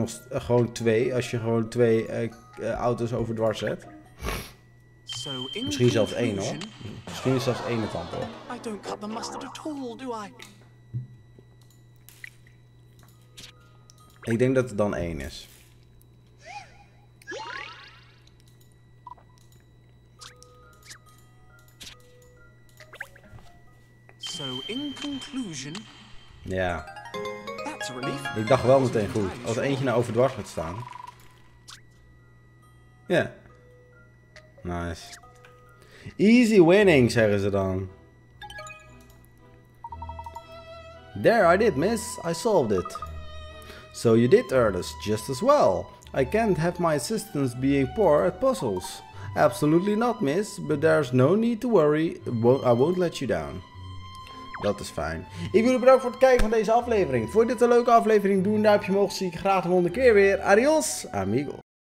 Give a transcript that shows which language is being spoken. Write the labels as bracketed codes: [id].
[nl] Gewoon twee, als je gewoon twee auto's overdwars zet. So misschien zelfs één, hoor. Misschien is zelfs één het antwoord. [en] I don't cut the mustard at all, do I? [nl] Ik denk dat het dan één is. [en] So in conclusion. Ja. Yeah. [nl] Ik dacht wel meteen goed, als eentje nou overdwars gaat staan. Ja. [en] Yeah. Nice. Easy winning, [nl] zeggen ze dan. [en] There I did, miss. I solved it. So you did, Ernest, just as well. I can't have my assistants being poor at puzzles. Absolutely not, miss, but there's no need to worry. I won't let you down. [nl] Dat is fijn. Ik wil u bedanken voor het kijken van deze aflevering. Vond je dit een leuke aflevering? Doe een duimpje omhoog. Zie ik graag de volgende keer weer. [es] Adios, amigos.